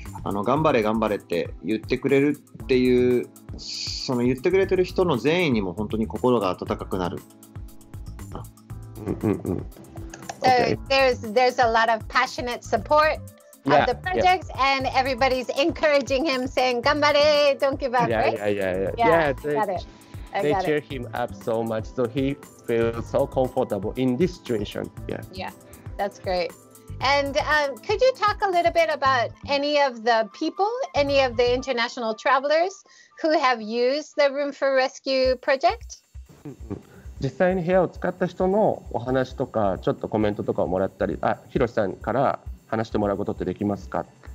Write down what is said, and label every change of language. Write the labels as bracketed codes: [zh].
[ja] あの頑張れ頑張れって言ってくれるっていう、その言ってくれてる人の善意にも本当に心が温かくなる。 [en] So there's a lot of passionate support of the project, and everybody's encouraging him, saying, "Gambare, don't give up." They cheer him up so much, so he feels so comfortable in this situation. That's great. And could you talk a little bit about any of the people, any of the international travelers who have used the Room4Rescue project? [ja] 実際に部屋を使った人のお話とかちょっとコメントとかをもらったり、あ、ひろしさんから話してもらうことってできますか？